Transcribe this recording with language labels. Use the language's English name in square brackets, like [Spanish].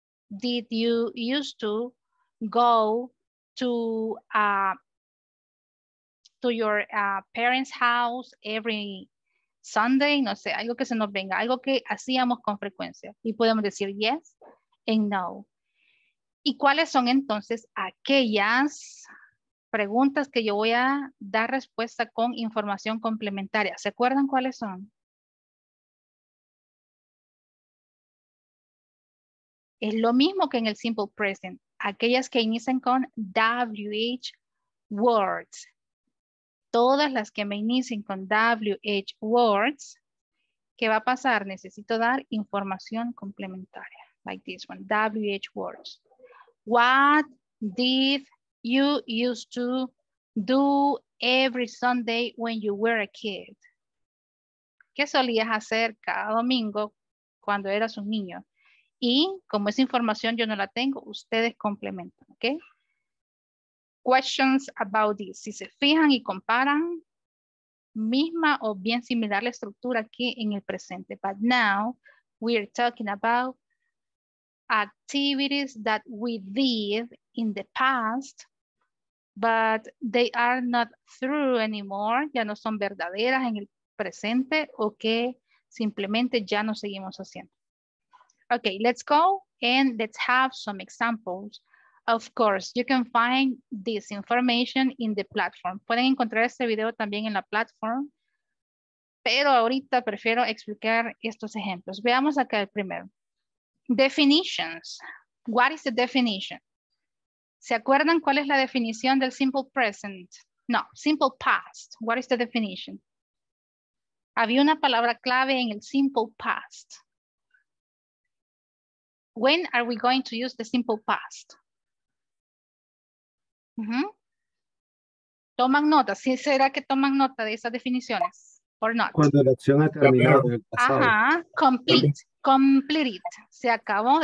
[English] Did you used to go to your parents' house every Sunday? [Spanish] No sé, algo que se nos venga, algo que hacíamos con frecuencia. Y podemos decir [English] yes and no. [Spanish] ¿Y cuáles son entonces aquellas preguntas que yo voy a dar respuesta con información complementaria? ¿Se acuerdan cuáles son? Es lo mismo que en el simple present. Aquellas que inician con WH words. Todas las que me inician con WH words. ¿Qué va a pasar? Necesito dar información complementaria. [English] Like this one. WH words. What did you used to do every Sunday when you were a kid? [Spanish] ¿Qué solías hacer cada domingo cuando eras un niño? Y como esa información yo no la tengo, ustedes complementan, ¿ok? [English] Questions about this. [Spanish] Si se fijan y comparan, misma o bien similar la estructura que en el presente. [English] But now we are talking about activities that we did in the past, but they are not true anymore. [Spanish] Ya no son verdaderas en el presente o que simplemente ya no seguimos haciendo. [English] Okay, let's go and let's have some examples. Of course, you can find this information in the platform. [Spanish] Pueden encontrar este video también en la platform, pero ahorita prefiero explicar estos ejemplos. Veamos acá el primero. [English] Definitions. What is the definition? [Spanish] ¿Se acuerdan cuál es la definición del simple present? No, simple past. [English] What is the definition? [Spanish] Había una palabra clave en el simple past. [English] When are we going to use the simple past? [Spanish] Mm-hmm. ¿Toman nota? ¿Sí será que toman nota de esas definiciones? [English] Or not? [Spanish] Cuando la acción ha terminado. [English] Ajá. Complete. Complete it. [Spanish] Se acabó.